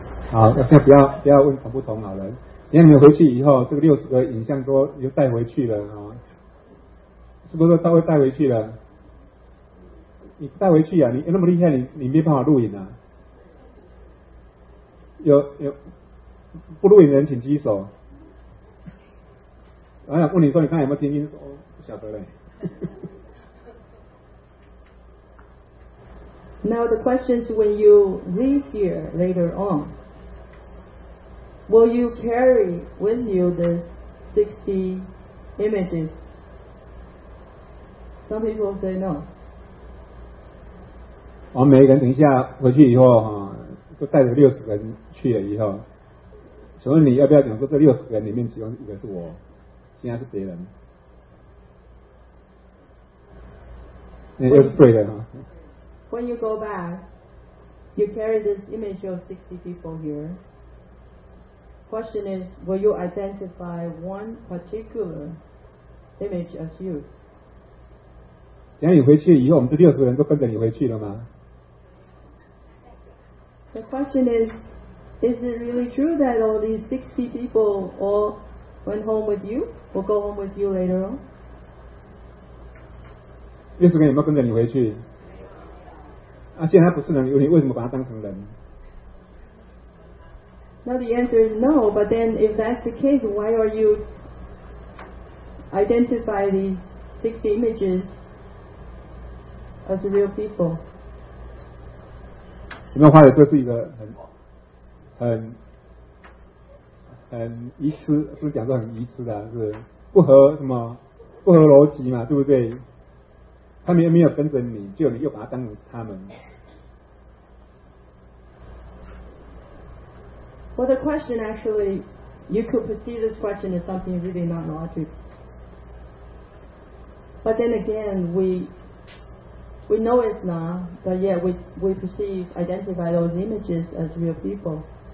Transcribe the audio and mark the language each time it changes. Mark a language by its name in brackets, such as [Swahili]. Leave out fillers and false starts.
[Chinese] 好，那不要问同不同好了。你看你们回去以后，这个六十个影像都又带回去了啊、哦，是不是都会带回去了？你带回去啊，你那么厉害，你没办法录影啊。有不录影的人请举手。我想问你说，你看有没有听清楚？哦，不晓得嘞。 [English] Now the question is, when you leave here later on, will you carry with you the 60 images? Some people say no. [Chinese] 我们每一个人等一下回去以后哈，都带着六十个人去了以后，请问你要不要讲说这六十个人里面其中一个是我，其他是别人？那又是对的哈。 [English] When you go back, you carry this image of 60 people here. Question is, will you identify one particular image as you? [Chinese] 等你回去以后，我们这六十人都跟着你回去了吗？ [English] The question is it really true that all these 60 people all went home with you? Will go home with you later on? [Chinese] 六十人有没有跟着你回去？啊，既然他不是人，你为什么把他当成人？ [English] Now the answer is no, but then if that's the case, why are you identify these 60 images as real people? [Chinese] 有没有发觉这是一个很疑思，是不是讲得很疑思的、啊，是不合什么不合逻辑嘛，对不对？他们又没有跟着你，就你又把他当成他们。 [English] Well, the question actually, you could perceive this question as something really not logical. But then again, we know it's not, but yet we perceive, identify those images as real people.